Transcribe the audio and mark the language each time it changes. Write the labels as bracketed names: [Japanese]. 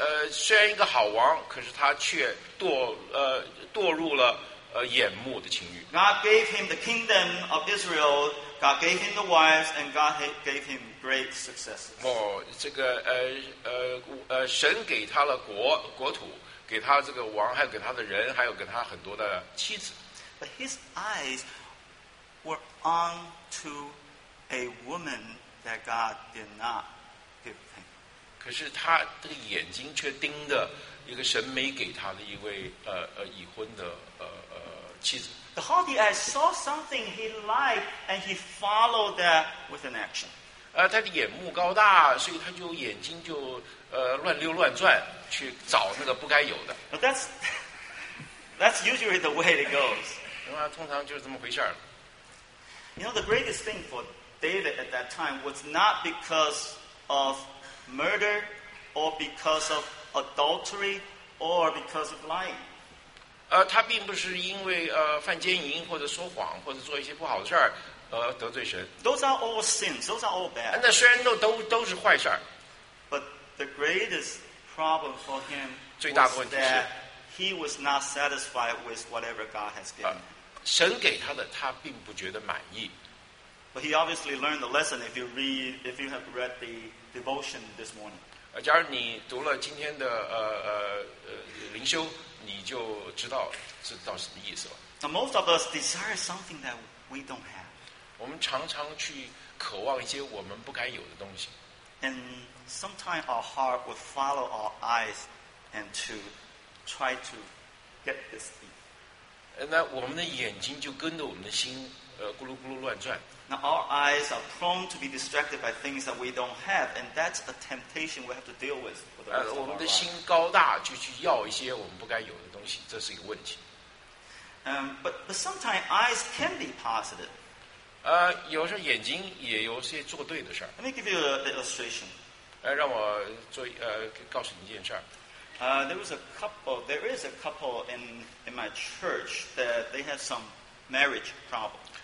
[Chinese] 虽然一个好王，可是他却堕入了眼目的情欲。 [English] God gave him the kingdom of Israel. God gave him the wives, and God gave him great successes. [Chinese] 这个神给他了国土，给他这个王，还有给他的人，还有给他很多的妻子。 [English] But his eyes were on to a woman that God did not give him. [Chinese] 可是他这个眼睛却盯着一个神没给他的一位已婚的妻子。 [English] The haughty eye saw something he liked and he followed that with an action. [Chinese] 他的眼目高大，所以他就眼睛就乱溜乱转去找那个不该有的。 [English] But that's usually the way it goes. [Chinese] 通常就是这么回事儿。 [English] You know the greatest thing for David at that time was not because of. Murder, or because of adultery, or because of lying. [Chinese] 他并不是因为犯奸淫或者说谎或者做一些不好的事儿得罪神。 [English] Those are all sins. Those are all bad. [Chinese] 那虽然都是坏事儿。 [English] But the greatest problem for him [Chinese] 最大的问题是 [English] was that he was not satisfied with whatever God has given. [Chinese] 神给他的他并不觉得满意。 [English] But he obviously learned the lesson if you have read the devotion this morning. [Chinese] 假如你读了今天的灵修，你就知道什么意思了。 [English] Now most of us desire something that we don't have. [Chinese] 我们常常去渴望一些我们不该有的东西。 [English] And sometimes our heart would follow our eyes and to try to get this thing. [Chinese] 那我们的眼睛就跟着我们的心。咕噜咕噜乱转。 [English] Now our eyes are prone to be distracted by things that we don't have, and that's a temptation we have to deal with. [Chinese] 我们的心高大，就去要一些我们不该有的东西，这是一个问题。 [English] But sometimes eyes can be positive. [Chinese] 有时候眼睛也有些做对的事儿。 [English] Let me give you an illustration. [Chinese] 让我做告诉你一件事儿。 [English] There is a couple in my church that they have some marriage problem.